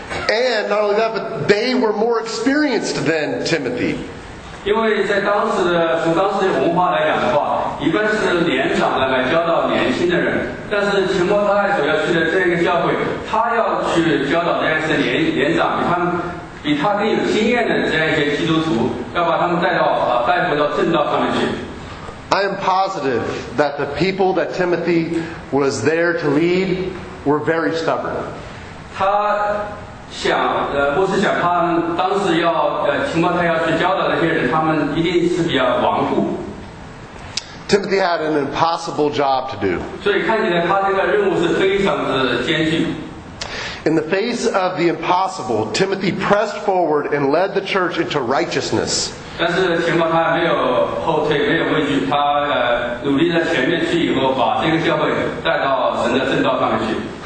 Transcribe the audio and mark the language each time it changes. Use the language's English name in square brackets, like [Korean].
[English] And not only that, but they were more experienced than Timothy. [Chinese] 因为在当时的从当时的文化来讲的话，一般是年长的来教导年轻的人。但是提摩太所要去的这个教会，他要去教导这些年长，比他更有经验的这样一些基督徒，要把他们带回到正道上面去。 [English] I am positive that the people that Timothy was there to lead were very stubborn. [Chinese] 他想，不是想他当时要，提摩太要去教导那些人，他们一定是比较顽固。 [English] Timothy had an impossible job to do. [Chinese] 所以看起来他这个任务是非常的艰巨。 [English] In the face of the impossible, Timothy pressed forward and led the church into righteousness. [Chinese] 但是提摩太没有后退，没有畏惧，他努力在前面去以后，把这个教会带到神的正道上面去。